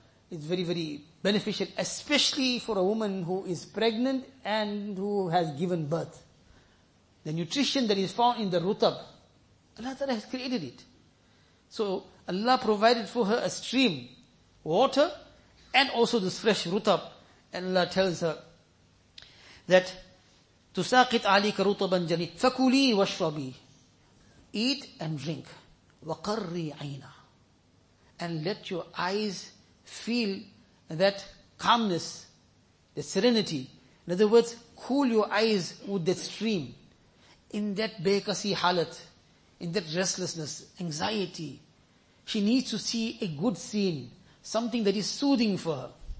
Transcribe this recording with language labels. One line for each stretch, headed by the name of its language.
English: It's very, very beneficial, especially for a woman who is pregnant and who has given birth. The nutrition that is found in the rutab, Allah Ta'ala has created it. So Allah provided for her a stream, water, and also this fresh rutab. And Allah tells her that
Arabic: تُسَاقِطْ عَلِيكَ رُطَبًا جَنِي فَكُلِي وَشْرَبِي.
English: Eat and drink.
Arabic: وَقَرِّي عَيْنَا.
English: And let your eyes feel that calmness, the serenity. In other words, cool your eyes with that stream. In that bekasi halat, in that restlessness, anxiety, she needs to see a good scene, something that is soothing for her.